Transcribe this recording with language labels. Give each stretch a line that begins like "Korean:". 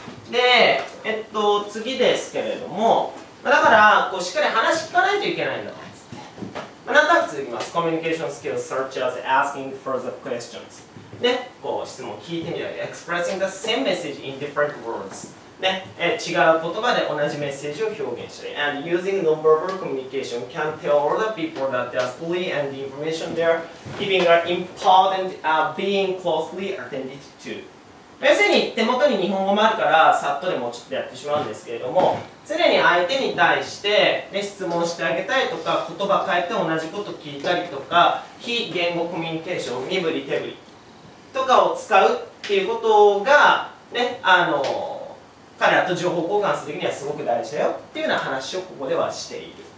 Japanese: で、次ですけれども、だから、こうしっかり話聞かないといけないんだ。なんとなく続きます。コミュニケーションスキル、
English: such as asking further questions。
Japanese: ね、こう質問を聞いてみる。
English: expressing the same message in different words。
Japanese: ね、違う言葉で同じメッセージを表現したり。
English: and using non-verbal communication can tell all the people that they are fully and the information they are giving are important being closely attended to。
Japanese: 要するに手元に日本語もあるからさっとでもちょっとやってしまうんですけれども、常に相手に対して、ね、質問してあげたいとか、言葉変えて同じこと聞いたりとか、非言語コミュニケーション、身振り手振りとかを使うっていうことが、ね、彼らと情報交換するときにはすごく大事だよっていうような話をここではしている。